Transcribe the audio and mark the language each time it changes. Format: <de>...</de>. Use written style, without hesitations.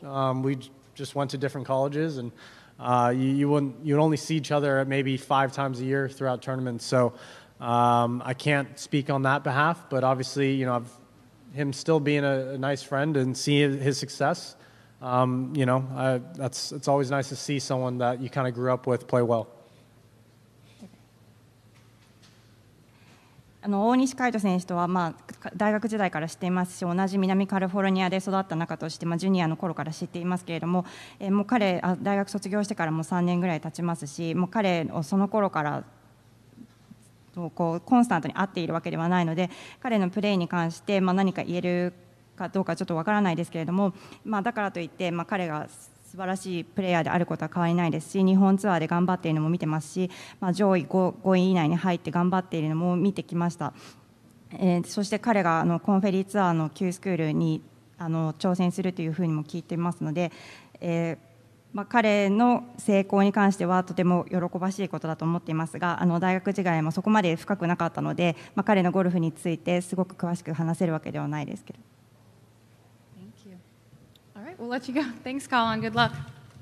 <en>We just went to different colleges, and you'd only see each other maybe five times a year throughout tournaments. So I can't speak on that behalf, but obviously, you know, him still being a nice friend and seeing his success, you know, it's always nice to see someone that you kind of grew up with play well.</en> <ja>大西海斗選手とは、まあ、大学時代から知っていますし、同じ南カリフォルニアで育った中として、まあ、ジュニアの頃から知っていますけれども、もう彼大学卒業してからもう3年ぐらい経ちますし、もう彼をその頃からこうコンスタントに会っているわけではないので、彼のプレーに関して、まあ、何か言えるかどうかちょっとわからないですけれども、まあ、だからといって、まあ、彼が素晴らしいプレイヤーであることは変わりないですし、日本ツアーで頑張っているのも見てますし、まあ、上位 5位以内に入って頑張っているのも見てきました、そして彼がコンフェリーツアーの Q スクールに挑戦するというふうにも聞いていますので、まあ、彼の成功に関してはとても喜ばしいことだと思っていますが、大学時代もそこまで深くなかったので、まあ、彼のゴルフについてすごく詳しく話せるわけではないですけど。</ja> <en>We'll let you go. Thanks, Collin. Good luck.</en>